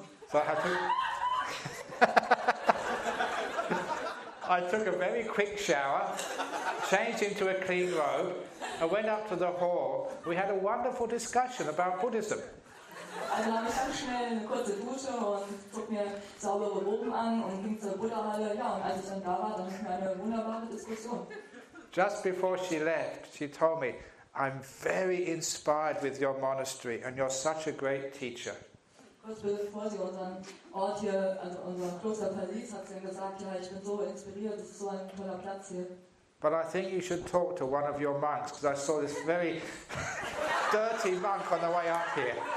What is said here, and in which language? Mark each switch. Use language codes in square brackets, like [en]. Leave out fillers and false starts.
[en] So I took a very quick shower, changed into a clean robe, and went up to the hall. We had a wonderful discussion about Buddhism. [de] Also habe ich ganz schnell eine kurze Dusche und zog mir saubere Roben an und ging zur Buddha-Halle. Ja, und als ich dann da war, dann hatten wir eine wunderbare Diskussion. [en] Just before she left, she told me, "I'm very inspired with your monastery and you're such a great teacher." [de] Kurz bevor sie unseren Ort hier, also unseren Kloster verließ, hat sie gesagt, ja, ich bin so inspiriert, das ist so ein toller Platz hier. [en] "But I think you should talk to one of your monks, because I saw this very dirty monk on the way up here."